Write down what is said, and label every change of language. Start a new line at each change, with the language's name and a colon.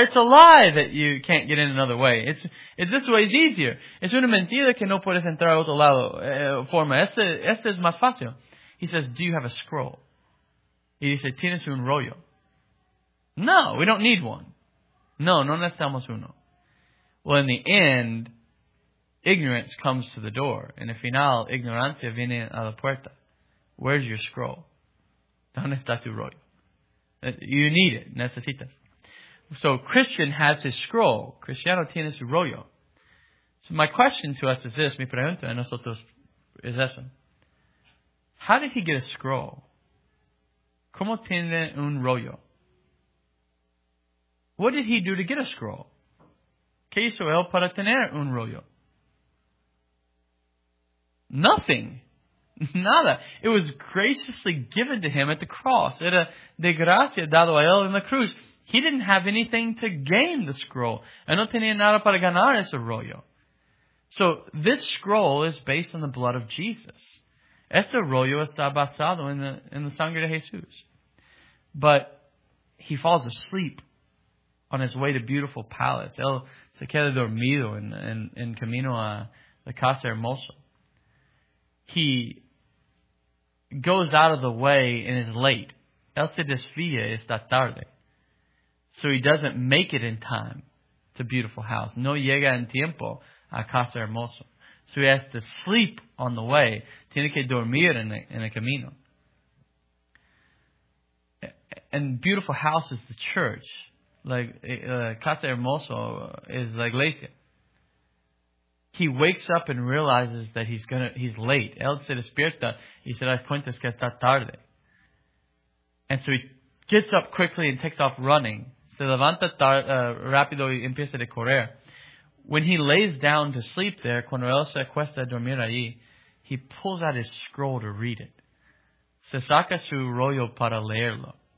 English: It's a lie that you can't get in another way. This way is easier.
Spanish: Es una mentira que no puedes entrar a otro lado. Forma. Este es más fácil.
English: He says, do you have a scroll?
Spanish: Y dice, ¿tienes un rollo?
English: No, we don't need one.
Spanish: No necesitamos uno.
English: Well, in the end, ignorance comes to the door.
Spanish: En el final, ignorancia viene a la puerta.
English: Where's your scroll?
Spanish: ¿Dónde está tu rollo?
English: You need it.
Spanish: Necesitas.
English: So Christian has his scroll.
Spanish: Cristiano tiene su rollo.
English: So my question to us is this.
Spanish: Mi pregunta a nosotros es esa.
English: How did he get a scroll?
Spanish: ¿Cómo tiene un rollo?
English: What did he do to get a scroll?
Spanish: ¿Qué hizo él para tener un rollo?
English: Nothing.
Spanish: Nada.
English: It was graciously given to him at the cross.
Spanish: Era de gracia dado a él en la cruz.
English: He didn't have anything to gain the scroll.
Spanish: No tenía nada para ganar ese rollo.
English: So this scroll is based on the blood of Jesus.
Spanish: Este rollo está basado en la sangre de Jesús.
English: But he falls asleep on his way to beautiful palace.
Spanish: Él se queda dormido en camino a la casa hermosa.
English: He goes out of the way and is late.
Spanish: Él se desvía esta tarde.
English: So he doesn't make it in time to beautiful house.
Spanish: No llega en tiempo a casa hermosa.
English: So he has to sleep on the way.
Spanish: Tiene que dormir en el camino.
English: And beautiful house is the church. Like casa hermosa is la iglesia. He wakes up and realizes that he's late.
Spanish: Él se despierta y se da cuenta que está tarde.
English: And so he gets up quickly and takes off running.
Spanish: Se levanta rápido y empieza a correr.
English: When he lays down to sleep there,
Spanish: cuando él se acuesta a dormir allí,
English: he pulls out his scroll to read it.
Spanish: Se saca su rollo para leerlo.